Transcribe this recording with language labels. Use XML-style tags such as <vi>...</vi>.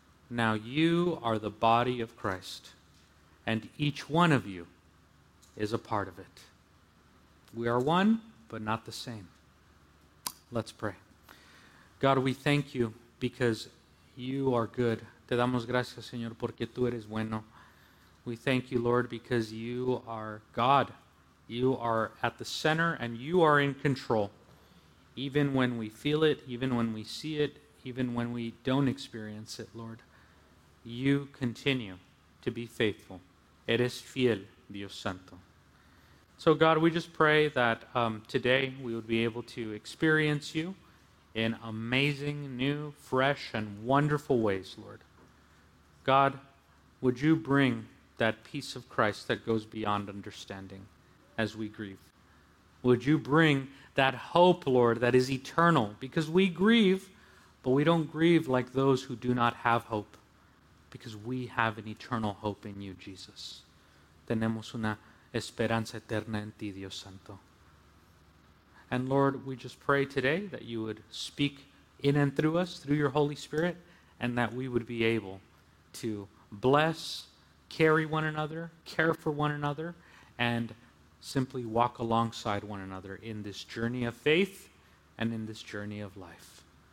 <en>Now you are the body of Christ, and each one of you is a part of it. We are one, but not the same. Let's pray. God, we thank you because you are good.</en> <es>Te damos gracias, Señor, porque tú eres bueno.</es> <en>We thank you, Lord, because you are God. You are at the center and you are in control. Even when we feel it, even when we see it, even when we don't experience it, Lord, you continue to be faithful.</en> <es>Eres fiel, Dios Santo.</es> <en>So God, we just pray that today we would be able to experience you in amazing, new, fresh, and wonderful ways, Lord. God, would you bring that peace of Christ that goes beyond understanding as we grieve? Would you bring that hope, Lord, that is eternal? Because we grieve, but we don't grieve like those who do not have hope, because we have an eternal hope in you, Jesus.</en> <es>Tenemos una esperanza eterna en ti, Dios Santo.</es> <en>And Lord, we just pray today that you would speak in and through us, through your Holy Spirit, and that we would be able to bless, carry one another, care for one another, and simply walk alongside one another in this journey of faith and in this journey of life.</en>